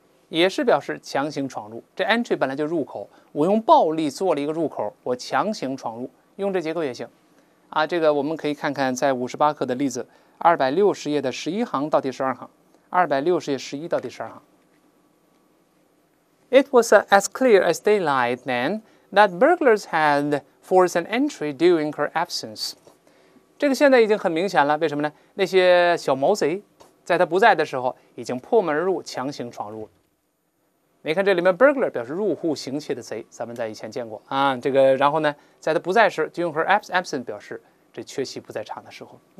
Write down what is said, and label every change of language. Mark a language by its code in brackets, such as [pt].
[zh] 也是表示强行闯入。这 entry 本来就入口，我用暴力做了一个入口，我强行闯入，用这结构也行。啊，这个我们可以看看在58课的例子，260页的11行到第12行，260页11到第12行。 [en] It was as clear as daylight then that burglars had forced an entry during her absence. [zh] 这个现在已经很明显了，为什么呢？那些小毛贼在她不在的时候已经破门而入，强行闯入了。你看这里面 burglar 表示入户行窃的贼，咱们在以前见过啊。这个然后呢，在她不在时 [en] during her absence [zh] 表示这缺席不在场的时候。